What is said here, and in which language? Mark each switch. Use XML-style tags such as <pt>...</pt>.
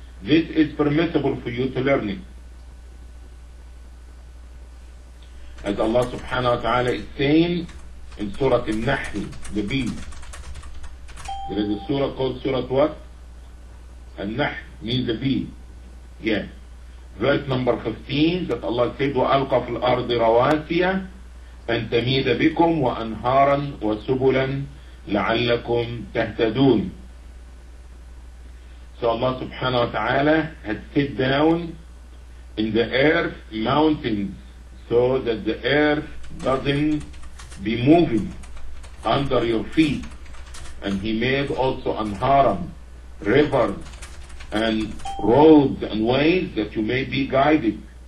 <en>This is permissible for you to learn it. As Allah subhanahu wa ta'ala is saying in Surah Al-Nahl, the bees. There is a surah called Surah what? Al-Nahl means the bee. Yeah. Verse number 15, that Allah said,</en> <ar>وَأَلْقَ فِي الْأَرْضِ رَوَاسِيَ أَنْ تَمِيدَ بِكُمْ وَأَنْهَارًا وَسُبُلًا لَعَلَّكُمْ تَهْتَدُونَ.</ar> <en>So Allah subhanahu wa ta'ala had set down in the earth mountains so that the earth doesn't be moving under your feet. And He made also anharam, rivers, and roads and ways that you may be guided.</en>